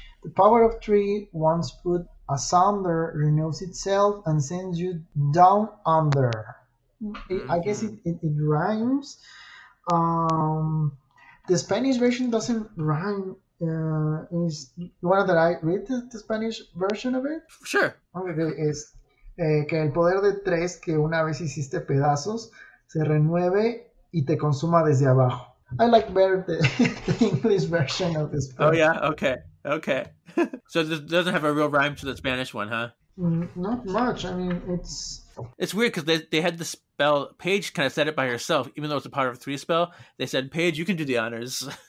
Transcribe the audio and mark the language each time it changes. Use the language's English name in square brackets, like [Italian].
[English] The power of tree once put asunder renews itself and sends you down under. I guess it rhymes. The Spanish version doesn't rhyme. Is one that I read the Spanish version of it? Sure. [Spanish] Okay, es que el poder de tres que una vez hiciste pedazos se renueve y te consuma desde abajo. [English] I like better the English version of this. Oh yeah. Okay. Okay. So this doesn't have a real rhyme to the Spanish one, huh? Not much. I mean, it's It's weird because they had the spell. Paige kind of said it by herself, even though it's a Potter 3 spell. They said, Paige, you can do the honors.